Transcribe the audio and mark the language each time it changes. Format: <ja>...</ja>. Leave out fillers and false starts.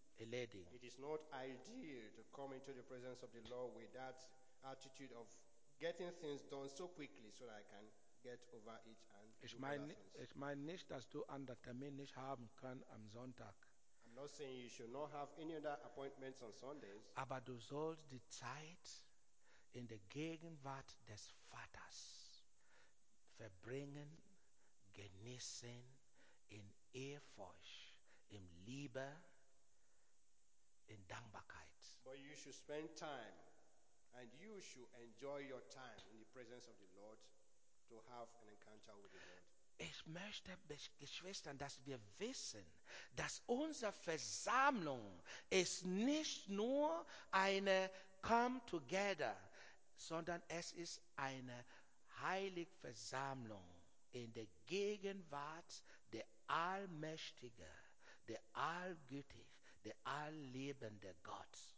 <en>It is not ideal to come into the presence of the Lord with that attitude of getting things done so quickly so that I can get over it and</en> <de>Ich meine nicht, dass du anderen Termin nicht haben kannst am Sonntag.</de> <en>I'm not saying you should not have any other appointments on Sundays.</en> <de>Aber du sollst die Zeit in der Gegenwart des Vaters verbringen, genießen, in Ehrfurcht, in Liebe, in Dankbarkeit.</de> <en>But you should spend time and you should enjoy your time in the presence of the Lord to have an encounter with the Lord.</en> <de>Ich möchte, Geschwister, dass wir wissen, dass unsere Versammlung ist nicht nur eine</de> <en>come together,</en> <de>sondern es ist eine heilige Versammlung in der Gegenwart der Allmächtige, der Allgütige,</de> <en>the all-lebende God.</en>